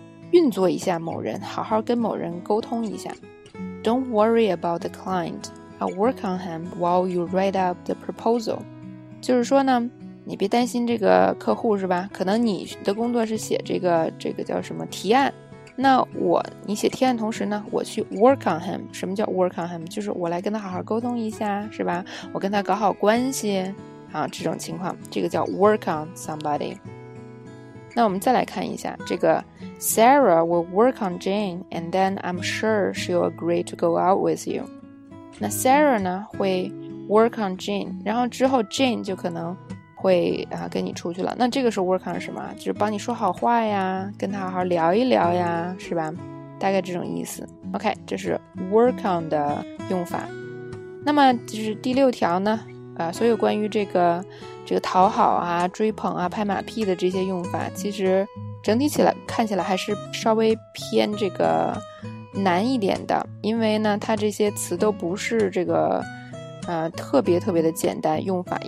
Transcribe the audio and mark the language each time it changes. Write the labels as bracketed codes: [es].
[zh] 运作一下某人，好好跟某人沟通一下。 [en] Don't worry about the client. I'll work on him while you write up the proposal. [zh] 就是说呢，你别担心这个客户是吧？可能你的工作是写这个叫什么提案。那我，你写提案同时呢，我去 [en] work on him。 [zh] 什么叫 [en] work on him？ [zh] 就是我来跟他好好沟通一下是吧，我跟他搞好关系啊，这种情况，这个叫 [en] work on somebody。 [zh] 那我们再来看一下这个 [en] Sarah will work on Jane and then I'm sure she'll agree to go out with you。 [zh] 那 Sarah 呢会 [en] work on Jane， [zh] 然后之后 Jane 就可能会啊跟你出去了。那这个时候 work on 是什么？就是帮你说好话呀，跟他好好聊一聊呀，是吧？大概这种意思。 OK， 这是 work on 的用法。那么就是第六条呢，所有关于这个讨好啊、追捧啊、拍马屁的这些用法，其实整体起来看起来还是稍微偏这个难一点的。因为呢它这些词都不是这个特别特别的简单用法。